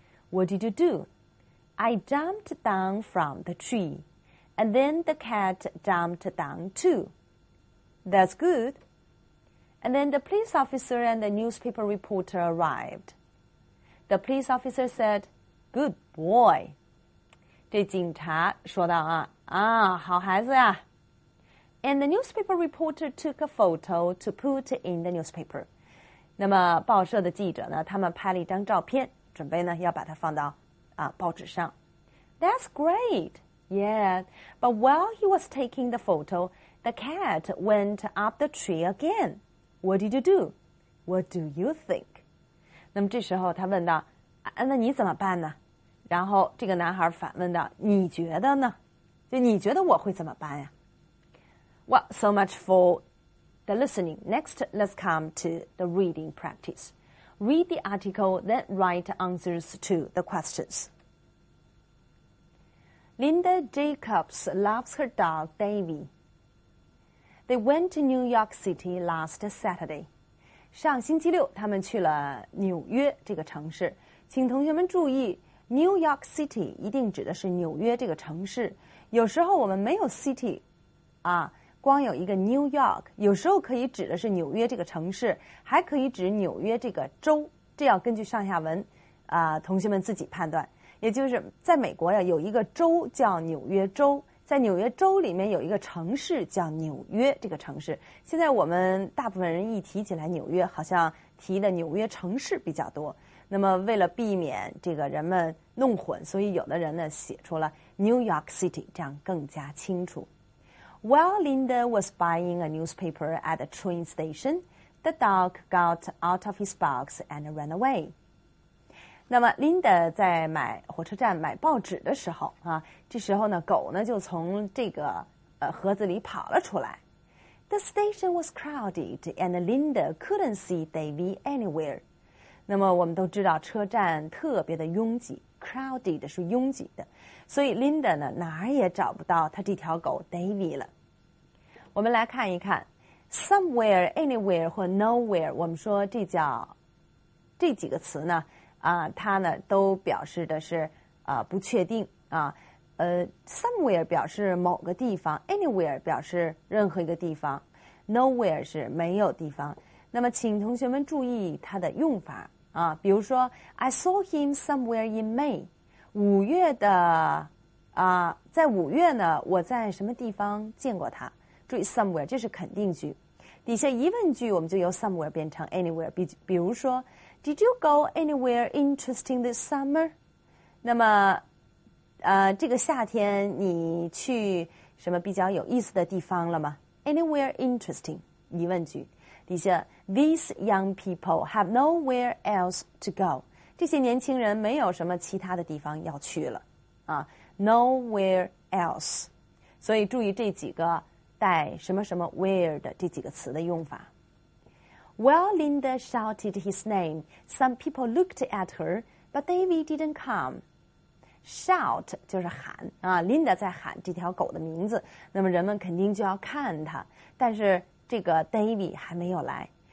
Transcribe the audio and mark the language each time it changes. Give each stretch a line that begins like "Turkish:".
English: What did you do? I jumped down from the tree. And then the cat jumped down too. That's good. And then the police officer and the newspaper reporter arrived. The police officer said, "Good boy."
Chinese: 这警察说道啊啊，好孩子啊。
English: And the newspaper reporter took a photo to put in the newspaper.
Chinese: 那么报社的记者呢，他们拍了一张照片，准备呢要把它放到啊报纸上。
English: That's great. Yeah. But while he was taking the photo, the cat went up the tree again. What did you do? What do you think?
Chinese: 那么这时候他问道，啊，那你怎么办呢？然后这个男孩反问道，你觉得呢？就你觉得我会怎么办呀？
English: Well, so much for the listening. Next, let's come to the reading practice. Read the article, then write answers to the questions. Linda Jacobs loves her dog, Davy. They went to New York City last Saturday.
Chinese: 上星期六他们去了纽约这个城市。请同学们注意，New York City 一定指的是纽约这个城市。有时候我们没有 city 啊，光有一个 New York， 有时候可以指的是纽约这个城市，还可以指纽约这个州，这要根据上下文啊，同学们自己判断。也就是在美国呀，有一个州叫纽约州，在纽约州里面有一个城市叫纽约这个城市。现在我们大部分人一提起来纽约，好像提的纽约城市比较多。那么为了避免这个人们弄混，所以有的人呢写出了 New York City， 这样更加清楚。
English: While Linda was buying a newspaper at the train station, the dog got out of his box and ran away.
Chinese: 那么 Linda 在买火车站买报纸的时候啊，这时候呢狗呢就从这个盒子里跑了出来。
English: The station was crowded and Linda couldn't see Davy anywhere.
Chinese: 那么我们都知道车站特别的拥挤 ,crowded 是拥挤的。所以 Linda 呢哪儿也找不到她这条狗 Davy 了。我们来看一看 ,somewhere, anywhere, 或 nowhere, 我们说这叫这几个词呢它呢都表示的是不确定啊。 somewhere 表示某个地方 ,anywhere 表示任何一个地方 ,nowhere 是没有地方。那么请同学们注意它的用法啊，比如说
English: I saw him somewhere in May
Chinese: 五月的啊，在五月呢我在什么地方见过他，注意 somewhere 这是肯定句，底下疑问句我们就由 somewhere 变成 anywhere， 比如说
English: Did you go anywhere interesting this summer？
Chinese: 那么这个夏天你去什么比较有意思的地方了吗？
English: Anywhere interesting
Chinese: 疑问句，底下
English: These young people have nowhere else to go.
Chinese: 这些年轻人没有什么其他的地方要去了。
English: Nowhere else.
Chinese: 所以注意这几个带什么什么 where 的这几个词的用法。
English: While Linda shouted his name, some people looked at her, but David didn't come.
Chinese: Shout 就是喊啊 ，Linda 在喊这条狗的名字，那么人们肯定就要看他，但是这个 David 还没有来。